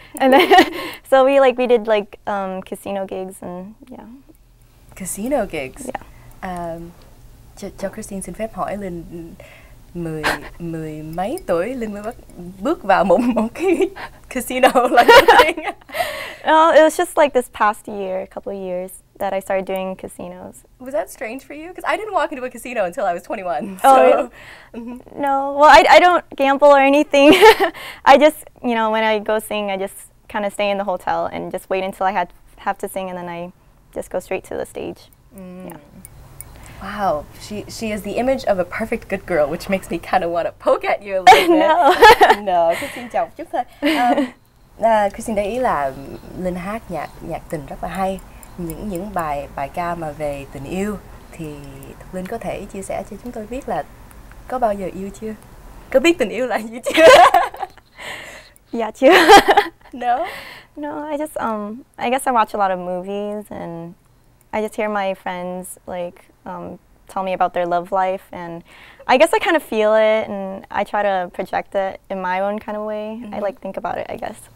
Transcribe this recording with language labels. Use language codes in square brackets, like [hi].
[en] And then so we did casino gigs and casino gigs. Yeah. [vi] Cho Kristine xin phép hỏi Linh, mười mấy tuổi Linh mới bước vào một cái casino [en] like thing. No, it was just like this past year, a couple of years that I started doing casinos. Was that strange for you? Because I didn't walk into a casino until I was 21. So. Oh, really? No. Well, I don't gamble or anything. I just, you know, when I go sing, I just kind of stay in the hotel and just wait until I have to sing, and then I just go straight to the stage. Mm. Yeah. Wow. She is the image of a perfect good girl, which makes me kind of want to poke at you a little bit. No. No. [vi] Kristine chào một chút thôi. Kristine để ý là Linh hát nhạc tình rất là hay. Những bài ca mà về tình yêu thì Thuc Linh có thể chia sẻ cho chúng tôi biết là có bao giờ yêu chưa? Có biết tình yêu là gì chưa? Dạ chưa. [en] No. No, I just I guess I watch a lot of movies and I just hear my friends like tell me about their love life, and I guess I kind of feel it and I try to project it in my own kind of way. I like think about it, I guess.